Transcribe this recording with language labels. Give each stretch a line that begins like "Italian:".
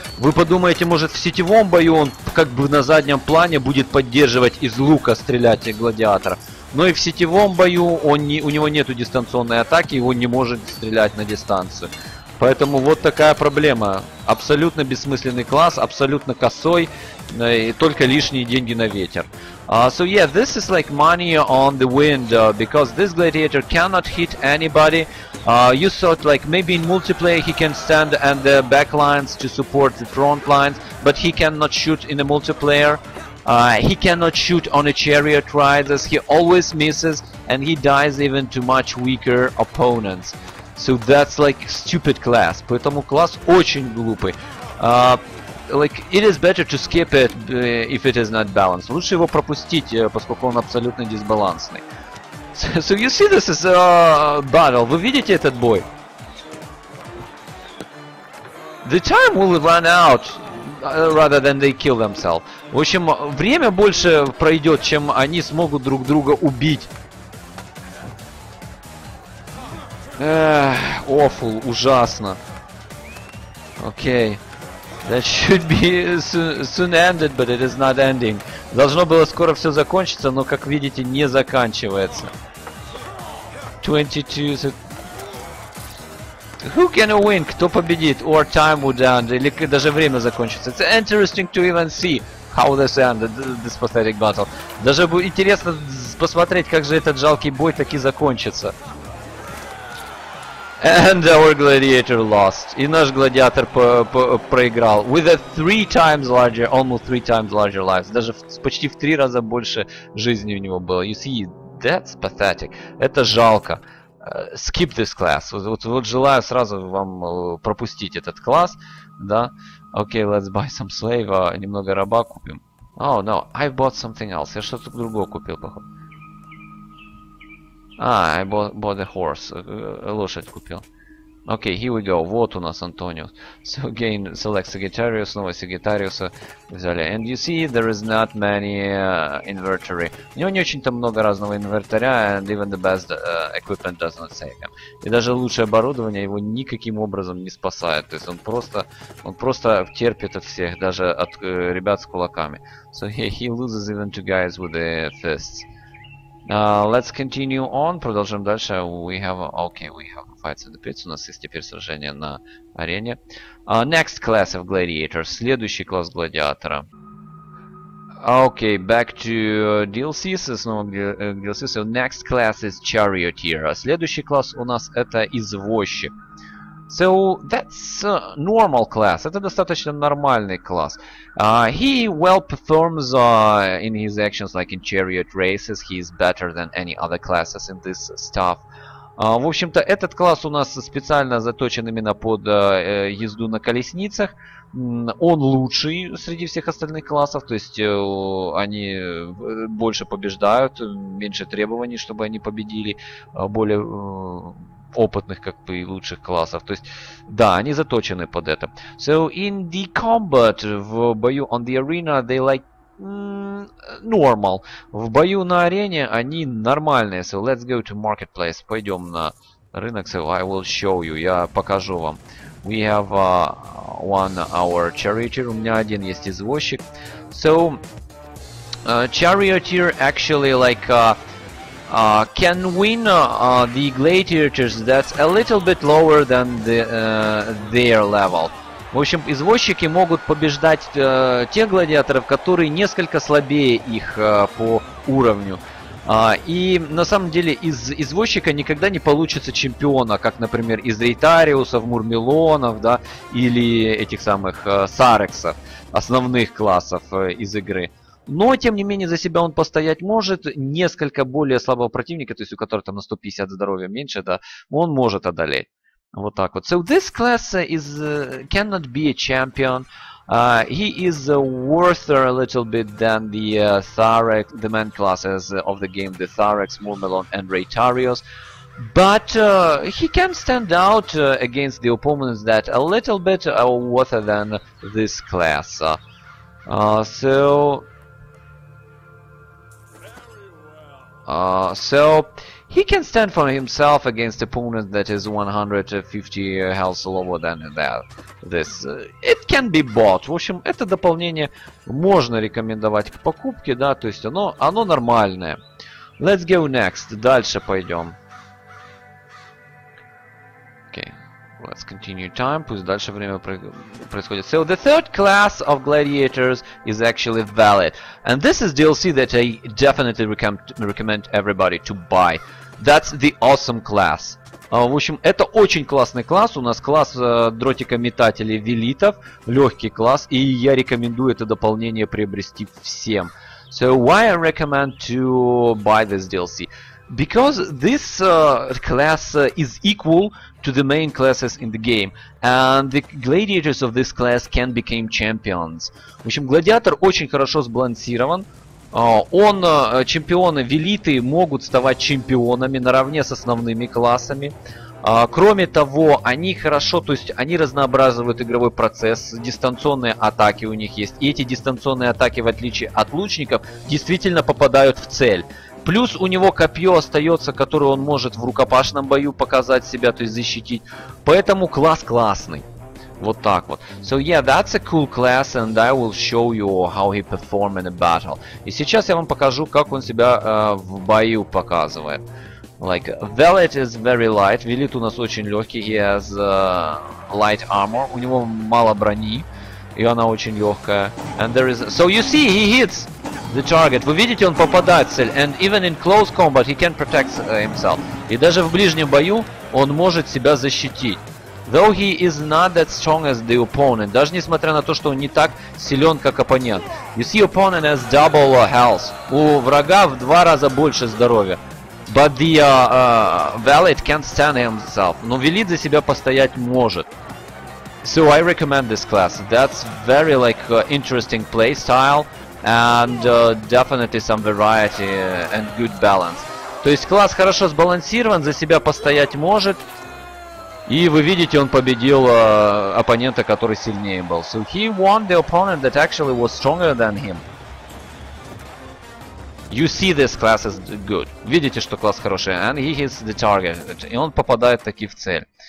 Russian: Вы подумаете, может в сетевом бою он как бы на заднем плане будет поддерживать из лука стрелять гладиатора. Но и в сетевом бою он не, у него нету дистанционной атаки, и он не может стрелять на дистанцию. Поэтому вот такая проблема. Абсолютно бессмысленный класс, абсолютно косой, и только лишние деньги на ветер.
English: So yeah, this is like money on the wind, because this gladiator cannot hit anybody. You thought like maybe in multiplayer he can stand and the back lines to support the front lines, but he cannot shoot in the multiplayer. He cannot shoot on a chariot riders, he always misses, and he dies even to much weaker opponents. So that's like stupid class.
Russian: Поэтому класс очень глупый.
English: Like it is better to skip it if it is not balanced.
Russian: Лучше его пропустить, поскольку он абсолютно дисбалансный.
English: So you see this is a battle.
Russian: Вы видите этот бой?
English: The time will run out rather than they kill themselves.
Russian: В общем, время больше пройдет, чем они смогут друг друга убить.
English: Awful,
Russian: ужасно. Окей.
English: That should be soon ended, but it is not ending.
Russian: Должно было скоро все закончиться, но, как видите, не заканчивается. 22...
English: Who can win?
Russian: Кто победит?
English: Or time would end?
Russian: Или даже время закончится?
English: It's interesting to even see how this ended, this pathetic battle.
Russian: Даже будет интересно посмотреть, как же этот жалкий бой таки закончится.
English: And our gladiator lost.
Russian: И наш гладиатор проиграл.
English: With a three times larger, almost three times larger lives.
Russian: Даже почти в три раза больше жизни у него было.
English: You see, that's pathetic.
Russian: Это жалко.
English: Skip this class.
Russian: Вот желаю сразу вам пропустить этот класс. Да?
English: Okay, let's buy some slave.
Russian: Немного раба купим.
English: Oh, no. I bought something else.
Russian: Я что-то другое купил, походу.
English: I bought a horse.
Russian: Лошадь купил.
English: Okay, here we go.
Russian: Вот у нас Антониус.
English: So again, select Sagittarius.
Russian: Снова Sagittarius взяли.
English: And you see, there is not many inventory.
Russian: У него не очень-то много разного инвертаря,
English: and even the best equipment does not save him.
Russian: И даже лучшее оборудование его никаким образом не спасает. То есть он просто терпит от всех, даже от ребят с кулаками.
English: So he loses even to guys with the fists. Let's continue on.
Russian: Продолжим дальше.
English: We have fights in the pits.
Russian: У нас есть теперь сражение на арене.
English: Next class of gladiator.
Russian: Следующий класс гладиатора.
English: Okay, back to DLC.
Russian: Снова DLC.
English: So next class is charioteer.
Russian: Следующий класс у нас это извозчик.
English: So that's a normal class.
Russian: Это достаточно нормальный класс.
English: He well performs in his actions, like in chariot races. He is better than any other classes in this stuff.
Russian: В общем-то, этот класс у нас специально заточен именно под езду на колесницах. Он лучший среди всех остальных классов, то есть они больше побеждают, меньше требований, чтобы они победили, более опытных, как бы, и лучших классов. То есть, да, они заточены под это.
English: So, in the combat,
Russian: в бою
English: on the arena, they like normal.
Russian: В бою на арене они нормальные.
English: So, let's go to marketplace.
Russian: Пойдем на рынок.
English: So, I will show you.
Russian: Я покажу вам.
English: We have one our charioteer.
Russian: У меня один есть извозчик.
English: So, charioteer actually like... can win the gladiators that's a little bit lower than the their level.
Russian: В общем, извозчики могут побеждать тех гладиаторов, которые несколько слабее их по уровню. И на самом деле из извозчика никогда не получится чемпиона, как, например, из рейтариусов, мурмелонов, да, или этих самых сарексов, основных классов из игры. Но, тем не менее, за себя он постоять может. Несколько более слабого противника, то есть у которого там на 150 здоровья меньше, да, он может одолеть. Вот так вот.
English: So, this class is cannot be a champion. He is worse a little bit than the Tharex, the main classes of the game, the Tharex, Mormelon and Reitarios. But he can stand out against the opponents that a little bit worse than this class. So... so he can stand for himself against opponent that is 150 health lower than that. This it can be bought.
Russian: В общем, это дополнение можно рекомендовать к покупке, да, то есть оно нормальное.
English: Let's go next.
Russian: Дальше пойдем.
English: Okay, let's continue time.
Russian: Пусть дальше время происходит.
English: So the third class of gladiators is actually valid. And this is DLC that I definitely recommend everybody to buy. That's the awesome class.
Russian: В общем, это очень классный класс. У нас класс дротикометателей велитов. Легкий класс. И я рекомендую это дополнение приобрести всем.
English: So why I recommend to buy this DLC? Because this class is equal to the main classes in the game, and the gladiators of this class can become champions.
Russian: В общем, гладиатор очень хорошо сбалансирован. Он чемпионы, велиты могут ставать чемпионами наравне с основными классами. Кроме того, они хорошо, то есть они разнообразивают игровой процесс, дистанционные атаки у них есть. И эти дистанционные атаки, в отличие от лучников, действительно попадают в цель. Плюс у него копье остается, которое он может в рукопашном бою показать себя, то есть защитить. Поэтому класс классный. Вот так вот.
English: So yeah, that's a cool class, and I will show you how he perform in a battle.
Russian: И сейчас я вам покажу, как он себя в бою показывает.
English: Like, Velet is very light.
Russian: Velet у нас очень легкий.
English: He has light armor.
Russian: У него мало брони, и она очень легкая.
English: And there is... So you see, he hits the target.
Russian: Вы видите, он попадает в цель.
English: And even in close combat, he can protect himself.
Russian: И даже в ближнем бою он может себя защитить.
English: Though he is not that strong as the opponent,
Russian: даже несмотря на то, что он не так силен, как оппонент.
English: You see, opponent has double health.
Russian: У врага в два раза больше здоровья.
English: But the valet can't stand himself.
Russian: Но велит за себя постоять может.
English: So I recommend this class. That's very like interesting play style and definitely some variety and good balance.
Russian: То есть класс хорошо сбалансирован, за себя постоять может. И вы видите, он победил оппонента, который сильнее был.
English: So he won the opponent that actually was stronger than him. You see this class is good.
Russian: Видите, что класс хороший.
English: And he hits the target.
Russian: И он попадает таки в цель.